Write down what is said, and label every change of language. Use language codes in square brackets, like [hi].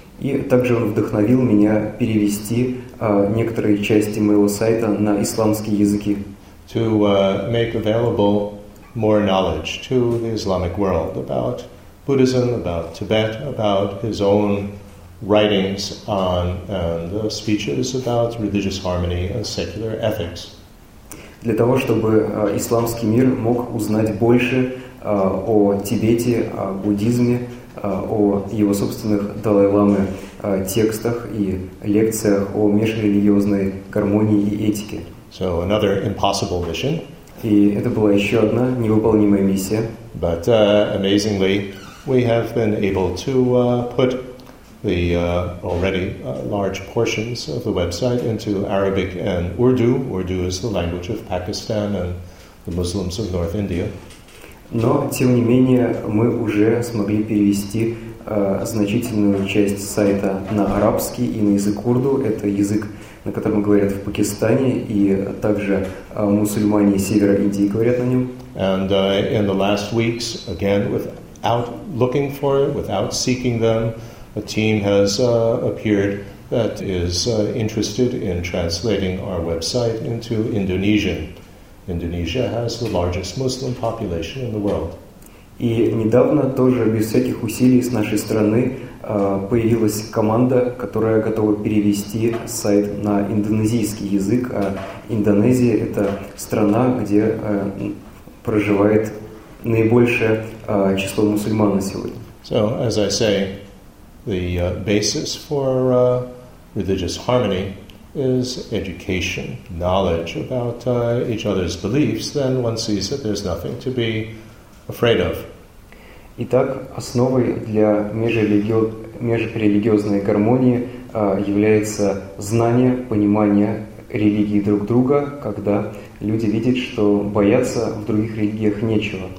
[ru] И также он вдохновил меня перевести некоторые части моего сайта на исламские языки. [en] To make available more knowledge to the Islamic world about Buddhism, about Tibet, about his own writings on and speeches about religious harmony and secular ethics. [ru] Для того, чтобы исламский мир мог узнать больше о Тибете, о буддизме, о его собственных Далай-ламы текстах и лекциях о межрелигиозной гармонии и этике. [en] So another impossible mission. [ru] И это была еще одна невыполнимая миссия. [en] But amazingly, we have been able to put the already large portions of the website into Arabic and Urdu. Urdu is the language of Pakistan and the Muslims of North India. [ru] Но тем не менее мы уже смогли перевести значительную часть сайта на арабский и на язык урду. Это язык, на котором говорят в Пакистане, и также мусульмане севера Индии говорят на нем. [en] And in the last weeks, again, without looking for it, without seeking them, a team has appeared that is interested in translating our website into Indonesian. Indonesia has the largest Muslim population in the world. [ru] И недавно тоже без всяких усилий с нашей стороны появилась команда, которая готова перевести сайт на индонезийский язык. А Индонезия — это страна, где проживает наибольшее число мусульман на сегодня. [en] So, as I say, the basis for religious harmony is education, knowledge about each other's beliefs, then one sees that there's nothing to be afraid of. [ru] Итак, основой для межрелигиозной гармонии является знание, понимание религии друг друга, когда люди видят, что бояться в других религиях нечего.